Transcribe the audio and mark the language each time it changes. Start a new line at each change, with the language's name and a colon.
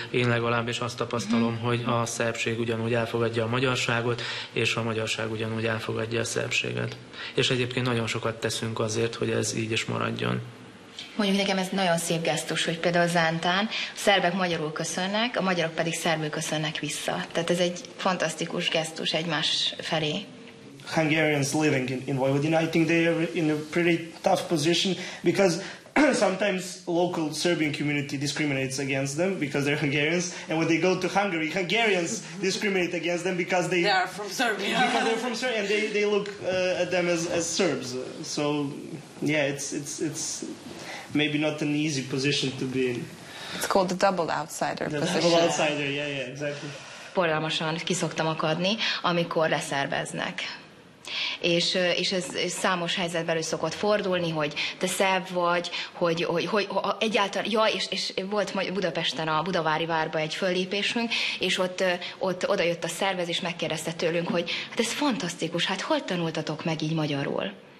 Hungarian: Én legalábbis azt tapasztalom, hogy a szerbség ugyanúgy elfogadja a magyarságot, és a magyarság ugyanúgy elfogadja a szerbséget. És egyébként nagyon sokat teszünk azért, hogy ez így is maradjon. Mondjuk nekem ez nagyon szép gesztus, hogy például Zántán a szerbek magyarul köszönnek, a magyarok pedig szerbül köszönnek vissza. Tehát ez egy fantasztikus gesztus egymás felé.
English: Hungarians living in Vojvodina, I think they are in a pretty tough position because sometimes local Serbian community discriminates against them because they're Hungarians, and when they go to Hungary, Hungarians discriminate against them because they are from Serbia. Because they're from Serbia, and they look at them as Serbs. So yeah, it's maybe not an easy position to be in. It's called the double outsider position. Double outsider, yeah, exactly.
Hungarian: Borzalmasan kiszoktam akadni, amikor leszerveznek. És ez számos helyzetben elő szokott fordulni, hogy te szebb vagy, hogy egyáltalán, ja, és volt Budapesten a Budavári Várba egy föllépésünk, és ott odajött a szervezés, megkérdezte tőlünk, hogy hát ez fantasztikus, hát hol tanultatok meg így magyarul?